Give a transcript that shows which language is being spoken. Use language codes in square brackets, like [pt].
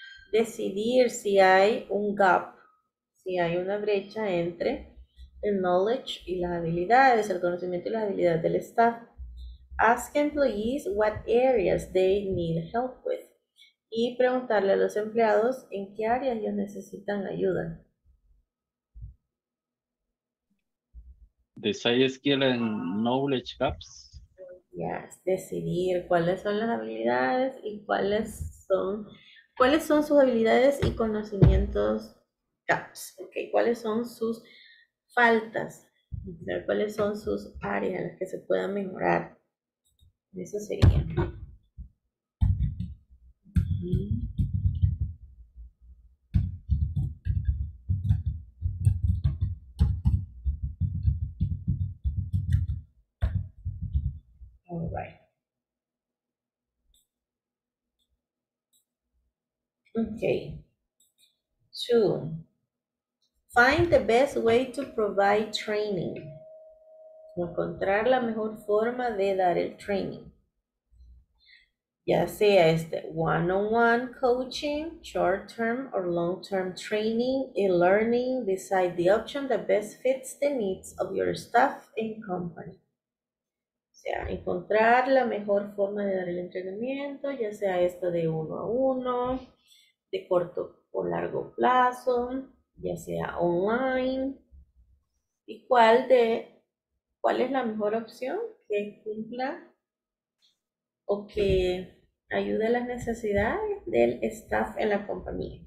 [es] Decidir si hay un gap, si hay una brecha entre el knowledge y las habilidades, el conocimiento y las habilidades del staff. [en] Ask employees what areas they need help with. [es] Y preguntarle a los empleados en qué áreas ellos necesitan ayuda. [en] Decide skill and knowledge gaps. [es] Yes, decidir cuáles son las habilidades y cuáles son sus habilidades y conocimientos gaps. Okay, cuáles son sus faltas. Ver cuáles son sus áreas en las que se puedan mejorar. Eso sería. [en] All right. Okay. Two. Find the best way to provide training. [es] Encontrar la mejor forma de dar el training. Ya sea este [en] one-on-one coaching, short-term or long-term training, e-learning, decide the option that best fits the needs of your staff and company. [es] O sea, encontrar la mejor forma de dar el entrenamiento, ya sea esto de uno a uno, de corto o largo plazo, ya sea online, y cuál es la mejor opción que cumpla o que ayude a las necesidades del staff en la compañía.